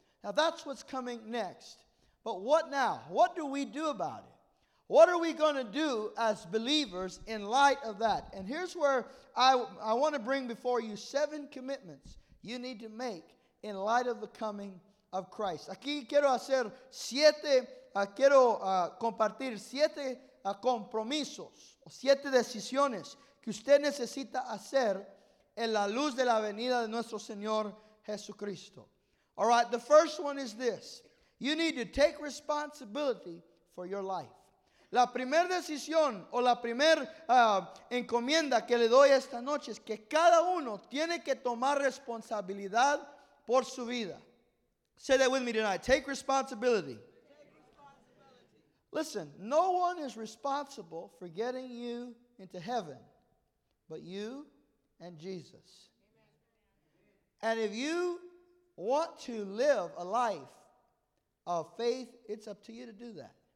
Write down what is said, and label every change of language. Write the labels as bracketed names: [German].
[English] Now that's what's coming next. But what now? What do we do about it? What are we going to do as believers in light of that? And here's where I want to bring before you seven commitments you need to make in light of the coming of Christ. [Spanish] Aquí quiero hacer siete, quiero compartir siete compromisos, siete decisiones que usted necesita hacer en la luz de la venida de nuestro Señor Jesucristo. [English] All right, the first one is this. You need to take responsibility for your life. [Spanish] La primera decisión o la primera encomienda que le doy esta noche es que cada uno tiene que tomar responsabilidad por su vida. [English] Say that with me tonight. Take responsibility. Listen, no one is responsible for getting you into heaven but you and Jesus. And if you want to live a life of faith, it's up to you to do that.